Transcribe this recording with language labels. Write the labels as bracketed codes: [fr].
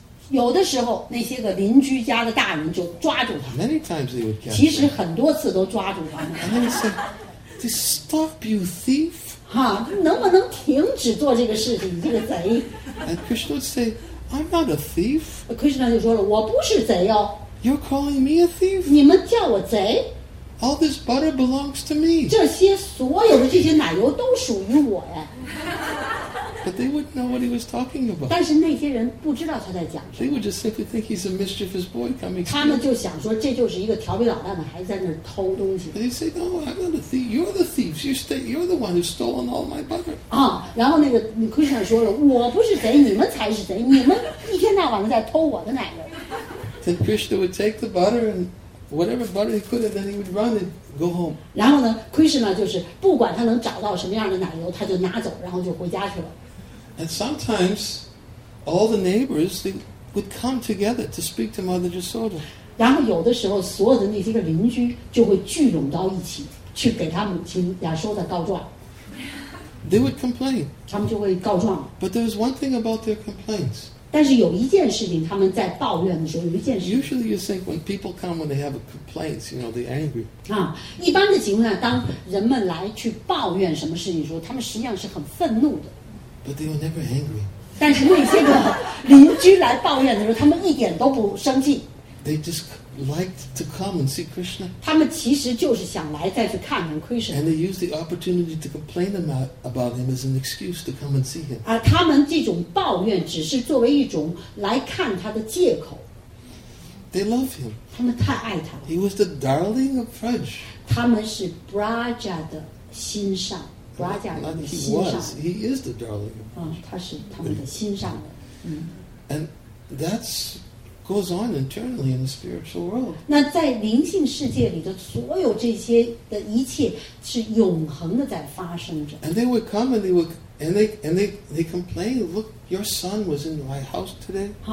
[zh] 有的时候，那些个邻居家的大人就抓住他。 [en] Many times they would catch. [zh] 其实很多次都抓住他们。 [en] And they said, "This stop you, thief!" [zh] 哈，能不能停止做这个事情，你这个贼 [en] ？And Krishna would say, "I'm not a thief." [zh] Krishna 就说了，我不是贼哦。 [en] You're calling me a thief? [zh] 你们叫我贼？ [en] All this butter belongs to me. [zh] 这些所有的这些奶油都属于我呀。 [en] But they wouldn't know what he was talking about. [zh] 但是那些人不知道他在讲什么。 [en] They would just simply think he's a mischievous boy coming. [zh] 他们就想说这就是一个调皮捣蛋的孩子在那偷东西。 [en] They say, "No, I'm not a thief. You're the thieves. You're the one who stolen all my butter." [zh] 啊，然后那个 Krishna 说了，我不是贼，你们才是贼。你们一天到晚在偷我的奶油。 [en] Then Krishna would take the butter and whatever butter he could, and then he would run and go home. [zh] 然后呢 ，Krishna 就是不管他能找到什么样的奶油，他就拿走，然后就回家去了。 [en] And sometimes, all the neighbors they would come together to speak to Mother Jasoda. [zh] 然后有的时候，所有的那些个邻居就会聚拢到一起，去给他母亲亚修的告状。 [en] They would complain. [zh] 他们就会告状。 [en] But there was one thing about their complaints. [zh] 但是有一件事情，他们在抱怨的时候，有一件事。 [en] Usually, you think when people come when they have a complaint, you know, they're angry. [zh] 啊，一般的情况下，当人们来去抱怨什么事情的时候，他们实际上是很愤怒的。 [en] But they were never angry. [zh] 但是那些个邻居来抱怨的时候，他们一点都不生气。 [en] they just liked to come and see Krishna. [zh] 他们其实就是想来再去看看 Krishna. [en] And they used the opportunity to complain about him as an excuse to come and see him. [zh] 他们这种抱怨只是作为一种来看他的借口。 [en] They love him. [zh] 他们太爱他了。 [en] He was the darling of Braj. [zh] 他们是 Braja 的心上。 [en] He is the darling. [zh] 他是他们的心上的。 [en] And that goes on internally in the spiritual world. [zh] 那在灵性世界里的所有这些的一切是永恒的在发生着。 [en] And they would come and they complain. Look, your son was in my house today.